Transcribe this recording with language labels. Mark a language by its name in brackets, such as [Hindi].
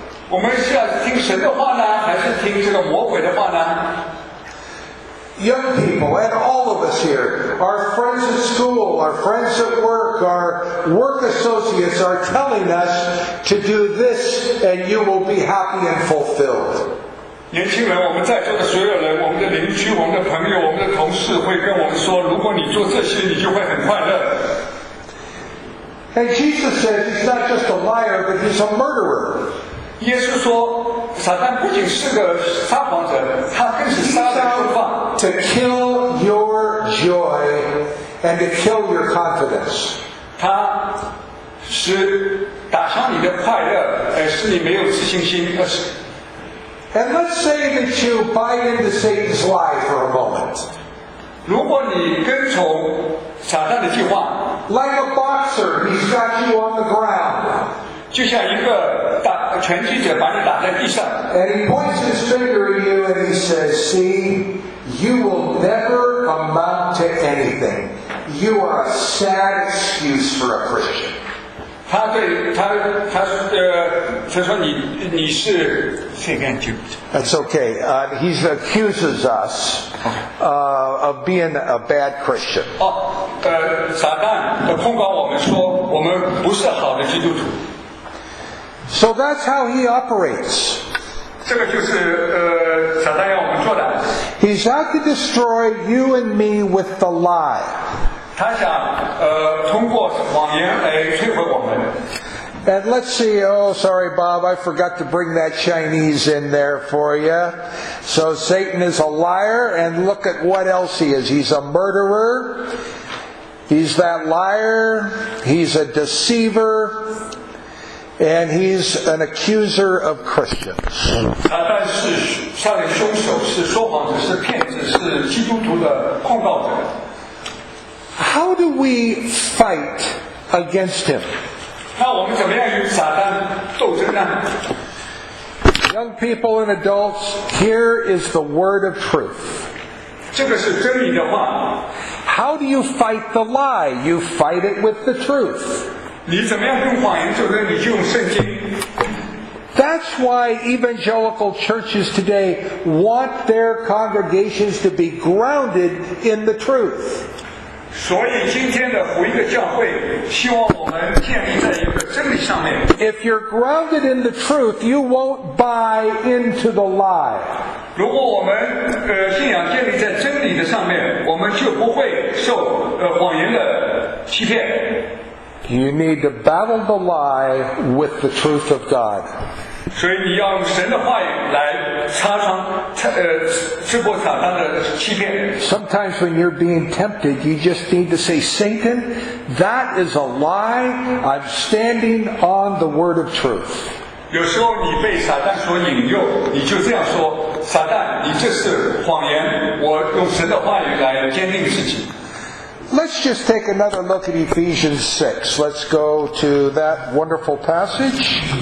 [Chinese] 我们是要听神的话呢，还是听这个魔鬼的话呢？ [English] Young people and all of us here, our friends at school, our friends at work, our work associates are telling us to do this and you will be happy and fulfilled. [Chinese] 年轻人，我们在座的所有人，我们的邻居，我们的朋友，我们的同事会跟我们说，如果你做这些，你就会很快乐。 [English] And Jesus says he's not just a liar, but he's a murderer. [Chinese] 耶稣说，撒旦不仅是个撒谎者，他更是杀人放火。 [English] To kill your joy and to kill your confidence. [Chinese] 他是打伤你的快乐，而是你没有自信心，而是。 [English] And let's say that you buy into Satan's lie for a moment. [Chinese] 如果你跟从撒旦的计划。 [English] Like a boxer, he's got you on the ground. [Chinese] 就像一个打拳击者把你打在地上。 [English] And he points his finger at you and he says, "See." You will never amount to anything. You are a sad excuse for a Christian. [Chinese] 他对他他他说你是 [English] thank you. That's okay. He accuses us of being a bad Christian. [Chinese] 撒旦控告我们说我们不是好的基督徒。 [English] So that's how he operates. [Chinese] 这个就是撒旦要我们做的。 [English] He's out to destroy you and me with the lie. [Chinese] 他想通过谎言来摧毁我们。 [English] And let's see. Oh, sorry, Bob. I forgot to bring that Chinese in there for you. So Satan is a liar, and look at what else he is. He's a murderer. He's that liar. He's a deceiver. And he's an accuser of Christians. [Chinese] 撒旦是下列凶手，是说谎者，是骗子，是基督徒的控告者。 [English] How do we fight against him? [Chinese] 那我们怎么样与撒旦斗争呢？ [English] Young people and adults, here is the word of truth. [Chinese] 这个是真理的话。 [English] How do you fight the lie? You fight it with the truth. [Chinese] 你怎么样用谎言就是你就用圣经。 [English] That's why evangelical churches today want their congregations to be grounded in the truth. [Chinese] 所以今天的福音的教会希望我们建立在一个真理上面。 [English] If you're grounded in the truth, you won't buy into the lie. [Chinese] 如果我们信仰建立在真理的上面，我们就不会受谎言的欺骗。 [English] You need to battle the lie with the truth of God. [Chinese] 所以你要用神的话语来擦伤刺破撒旦的欺骗。 [English] Sometimes when you're being tempted, you just need to say, Satan, that is a lie. I'm standing on the word of truth. [Chinese] 有时候你被撒旦所引诱，你就这样说，撒旦，你这是谎言，我用神的话语来坚定自己。 [English] Let's just take another look at Ephesians 6. Let's go to that wonderful passage.